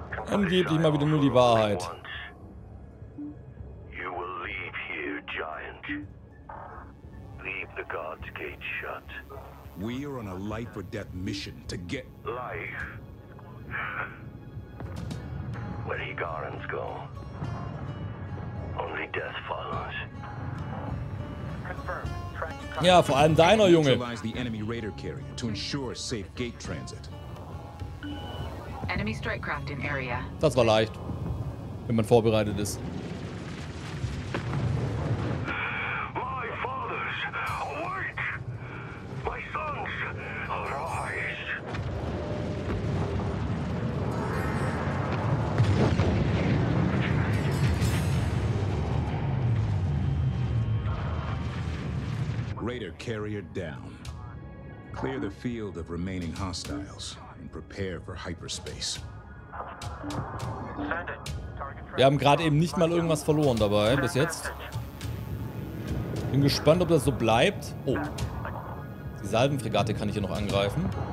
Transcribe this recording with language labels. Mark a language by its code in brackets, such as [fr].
[de] Angeblich mal wieder nur die Wahrheit. [en] You will leave here, giant. Leave the guard's gate shut. We are on a life or death mission to get life. Where do Garans go? Only death follows. [de] Ja, vor allem deiner Junge. [en] Neutralize the enemy raider carrier to ensure safe gate transit. Enemy strike craft in area. [de] Das war leicht, wenn man vorbereitet ist. [en] My fathers, awake! My sons, arise! Raider carrier down. Clear the field of remaining hostiles. Prepare for hyperspace. [de] Wir haben gerade eben nicht mal irgendwas verloren dabei, bis jetzt. Bin gespannt, ob das so bleibt. Oh. Die Salvenfregatte kann ich hier noch angreifen.